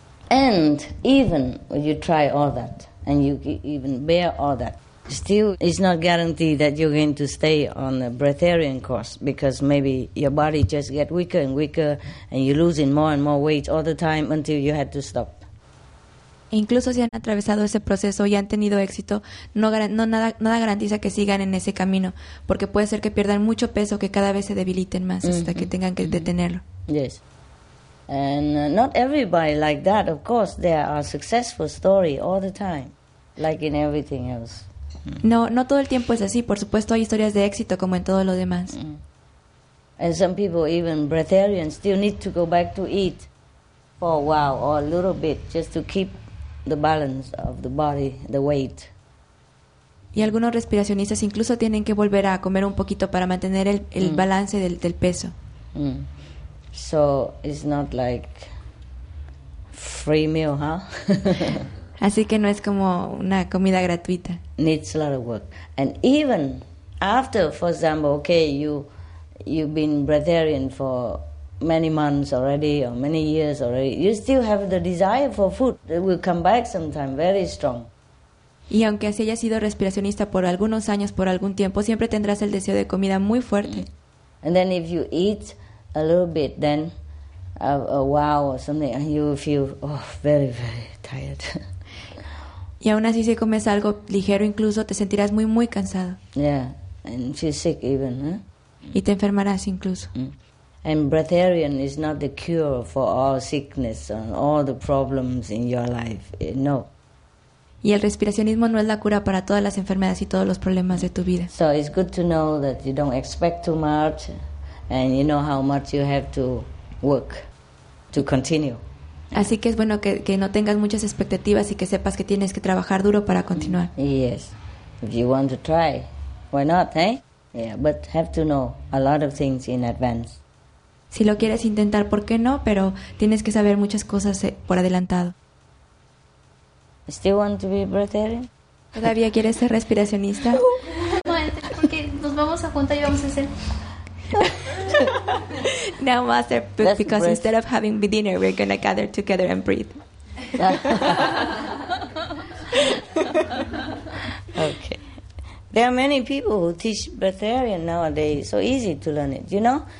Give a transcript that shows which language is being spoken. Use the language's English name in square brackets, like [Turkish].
[English] And even when you try all that, and you even bear all that, still it's not guaranteed that you're going to stay on the breatharian course, because maybe your body just get weaker and weaker, and you're losing more and more weight all the time until you had to stop. [Spanish] Incluso si han atravesado ese proceso y han tenido éxito, nada garantiza que sigan en ese camino, porque puede ser que pierdan mucho peso, que cada vez se debiliten más hasta que tengan que detenerlo. [English] Yes. And not everybody like that, of course. There are successful stories all the time, like in everything else. [Spanish] No todo el tiempo es así. Por supuesto, hay historias de éxito como en todo lo demás. [English] And some people, even breatharians, still need to go back to eat for a while or a little bit just to keep the balance of the body, the weight. [Spanish] Y algunos respiracionistas incluso tienen que volver a comer un poquito para mantener el balance del peso. [English] So it's not like free meal, huh? [Spanish] Así que no es como una comida gratuita. [English] Needs a lot of work. And even after, for example, okay, you've been breatharian for many months already or many years already, you still have the desire for food. It will come back sometime very strong. [Spanish] Y aunque así hayas sido respiracionista por algunos años, por algún tiempo, siempre tendrás el deseo de comida muy fuerte. [English] And then if you eat a little bit, then a while or something, and you feel very, very tired. [Spanish] Y aún así, si comes algo ligero, incluso te sentirás muy, muy cansado. [English] Yeah, and feel sick even. [Spanish] Y te enfermarás incluso. [English] And breatharian is not the cure for all sickness and all the problems in your life. No. [Spanish] Y el respiracionismo no es la cura para todas las enfermedades y todos los problemas de tu vida. [English] So it's good to know that you don't expect too much. And you know how much you have to work to continue. [Spanish] Así que es bueno que no tengas muchas expectativas y que sepas que tienes que trabajar duro para continuar. [English] Yes. If you want to try, why not, eh? Yeah, but have to know a lot of things in advance. [Spanish] Si lo quieres intentar, ¿por qué no? Pero tienes que saber muchas cosas por adelantado. [English] Still want to be breatharian? [Spanish] ¿Todavía quieres ser respiracionista? No, porque nos vamos a juntar y vamos a hacer... [English] Now, Master, because instead of having dinner, we're going to gather together and breathe. Okay. There are many people who teach breatharian nowadays. So easy to learn it, you know?